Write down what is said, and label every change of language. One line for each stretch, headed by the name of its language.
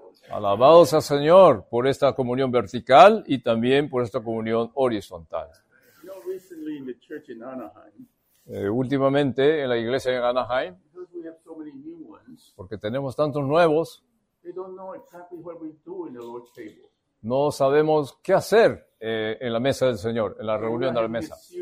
Spanish: Alabado sea Señor por esta comunión vertical y también por esta comunión horizontal.
English: You know, recently in the church in Anaheim,
Spanish: últimamente en la iglesia en Anaheim,
English: because we have so many new ones,
Spanish: porque tenemos tantos nuevos,
English: they don't know exactly what we do in the Lord's table.
Spanish: No sabemos qué hacer en la mesa del Señor, en la reunión de la mesa.